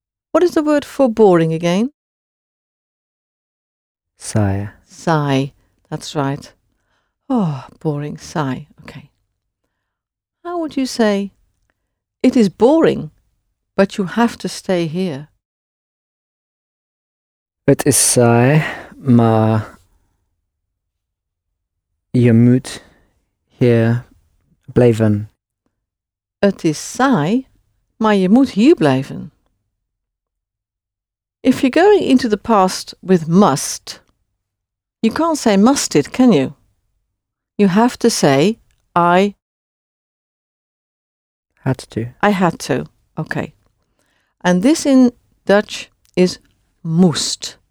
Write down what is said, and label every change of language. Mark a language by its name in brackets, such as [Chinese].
[English] What is the word for boring again? [Dutch] Saai. [English] Saai, that's right. Oh, boring, saai, okay. How would you say, it is boring, but you have to stay here? [Dutch] Het is saai, maar je moet hier blijven. Het is saai, maar je moet hier blijven. [English] If you're going into the past with must, you can't say must it, can you? You have to say, I had to. I had to, okay. And this in Dutch is moest.